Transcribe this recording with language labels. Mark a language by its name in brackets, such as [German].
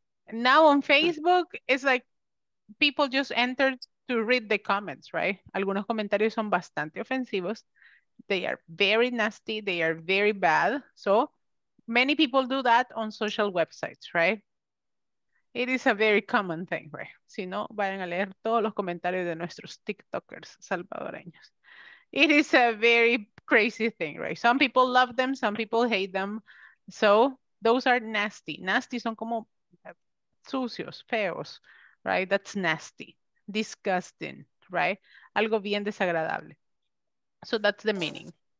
[English] Now on Facebook, it's like people just enter to read the comments, right? [Spanish] Algunos comentarios son bastante ofensivos. [English] They are very nasty, they are very bad. So many people do that on social websites, right? It is a very common thing, right? [Spanish] Si no, vayan a leer todos los comentarios de nuestros TikTokers salvadoreños. [English] It is a very crazy thing, right? Some people love them, some people hate them. So those are nasty. Nasty [Spanish] son como sucios, feos, [English] right? That's nasty, disgusting, right? [Spanish] Algo bien desagradable. [English] So that's the meaning.